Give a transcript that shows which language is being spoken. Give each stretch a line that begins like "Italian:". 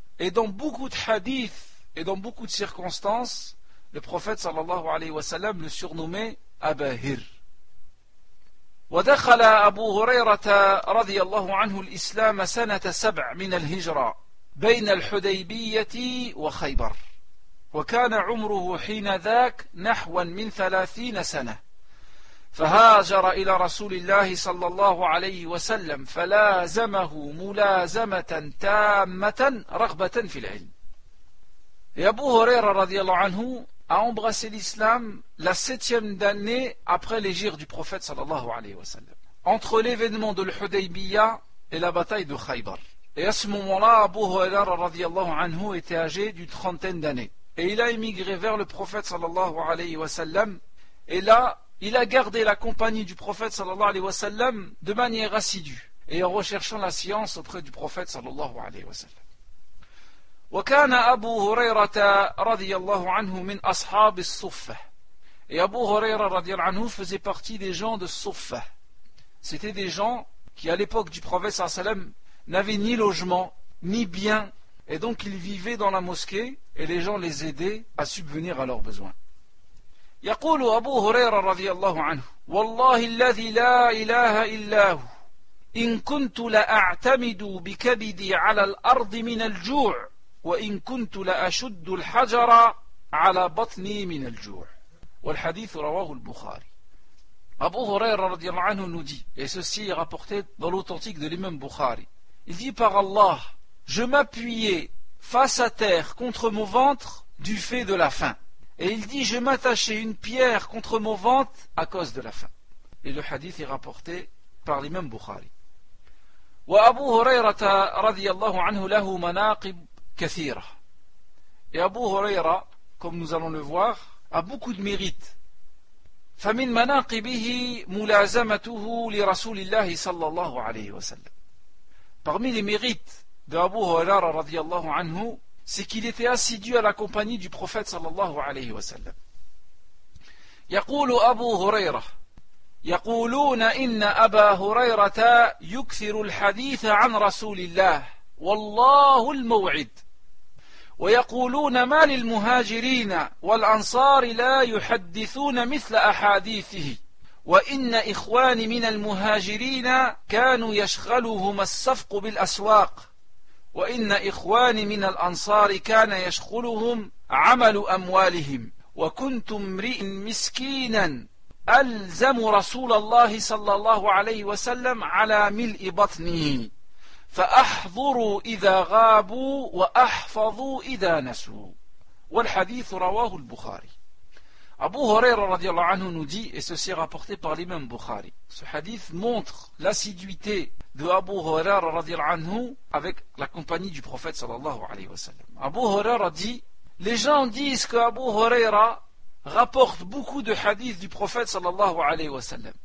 French: Et dans beaucoup de hadiths et dans beaucoup de circonstances, le prophète sallallahu alayhi wa sallam le surnommait Aba Hir.
Arabic: ودخل أبو هريرة رضي الله عنه الإسلام سنة سبع من الهجرة بين الحديبية وخيبر. وكان عمره حين ذاك نحو من 30 سنة فهاجر إلى رسول الله صلى الله عليه وسلم فلازمه ملازمة تامة رغبة في العلم. أبو هريرة رضي الله عنه
French: a embrassé l'islam la 7e année après l'égir du prophète
Arabic: صلى الله عليه وسلم
French: entre l'événement de l'Hudaybiyya et la bataille de Khaybar. Et à ce moment-là, Abu Hurayra
Arabic: رضي الله عنه
French: était âgé d'une 30aine d'années. Et il a émigré vers le prophète sallallahu alayhi wa sallam. Et là, il a gardé la compagnie du prophète sallallahu alayhi wa sallam de manière assidue et en recherchant la science auprès du prophète sallallahu alayhi wa sallam.
Arabic: وكان أبو هريرة رضي الله عنه من أصحاب الصفة.
French: Et Abu Huraira radiallahu anhu faisait partie des gens de Suffa. C'était des gens qui, à l'époque du prophète sallallahu alayhi wa sallam, n'avaient ni logement, ni bien. Et donc ils vivaient dans la mosquée et les gens les aidaient à subvenir à leurs besoins.
Arabic: Yaqulu Abu Huraira radiallahu anhu, Wallahi alladhi la ilaha illahu, in kuntu la a'tamidu bi kabidi ala al-ardi min al-ju' wa in kuntu la ashuddu al-hajara ala batni min al-ju'. والحديث رواه البخاري. أبو هريرة رضي الله عنه ندي
French: et ceci est rapporté dans l'authentique de l'imam Bukhari. Il dit par Allah, je m'appuyais face à terre contre mon ventre du fait de la faim. Et il dit, je m'attachais une pierre contre mon ventre à cause de la faim. Et le hadith est rapporté par l'imam Bukhari.
Arabic: وأبو هريرة رضي الله عنه له مناقب كثيرة.
French: Et Abu Huraira, comme nous allons le voir, a beaucoup de mérite.
Arabic: فمن مناقبه ملازمته لرسول الله صلى الله عليه وسلم.
French: Parmi les mérites d'Abu Huraira
Arabic: رضي الله عنه,
French: c'est qu'il était assidu à la compagnie du prophète
Arabic: صلى الله عليه وسلم. يقول أبو هريرة يقولون إن أبا هريرة يكثر الحديث عن رسول الله والله الموعد ويقولون ما للمهاجرين والأنصار لا يحدثون مثل أحاديثه وإن إخواني من المهاجرين كانوا يشغلهم الصفق بالأسواق وإن إخواني من الأنصار كان يشغلهم عمل أموالهم وكنت امرئ مسكينا ألزم رسول الله صلى الله عليه وسلم على ملء بطنه فأحضروا إذا غابوا وأحفظوا إذا نسوا والحديث رواه البخاري. أبو هريرة رضي الله عنه ندي
French: et ceci est rapporté par l'imam Bukhari. Ce hadith montre l'assiduité de Abu Huraira
Arabic: رضي الله عنه
French: avec la compagnie du prophète
Arabic: صلى الله عليه وسلم.
French: Abu Huraira dit, les gens disent que Abu Huraira rapporte beaucoup de hadiths du prophète
Arabic: صلى الله عليه وسلم.